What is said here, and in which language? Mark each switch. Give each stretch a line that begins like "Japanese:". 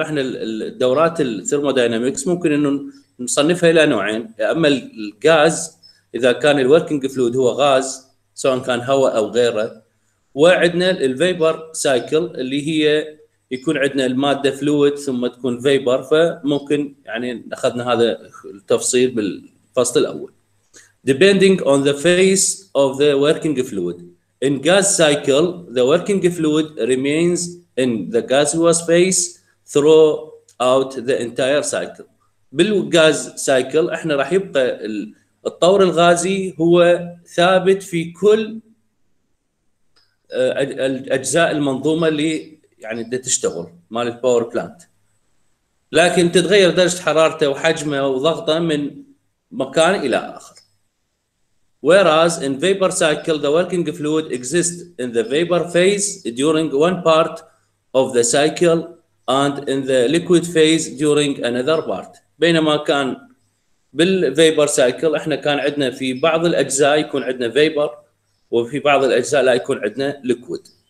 Arabic: احنا الدورات الثيرموداينامكس ممكن انه نصنفها الى نوعين، اما الغاز اذا كان الوركينج فلويد هو غاز سواء كان هواء او غيره، وعندنا الفيبر سايكل اللي هي يكون عندنا المادة فلويد ثم تكون فيبر. فممكن يعني أخذنا هذا التفصيل بالفصل الأول.
English: Depending on the phase of the working fluid. In gas cycle, the working fluid remains in the gaseous phase throughout the entire cycle.
Arabic: بالغاز سايكل احنا راح يبقى الطور الغازي هو ثابت في كل أجزاء المنظومة اللي يعني بدها تشتغل مال الباور بلانت، لكن تتغير درجة حرارته وحجمه وضغطه من مكان إلى آخر.
English: Whereas in vapor cycle the working fluid exists in the vapor phase during one part of the cycle and in the liquid phase during another part.
Arabic: بينما كان بالvapor cycle احنا كان عندنا في بعض الأجزاء يكون عندنا vapor وفي بعض الأجزاء لا يكون عندنا liquid.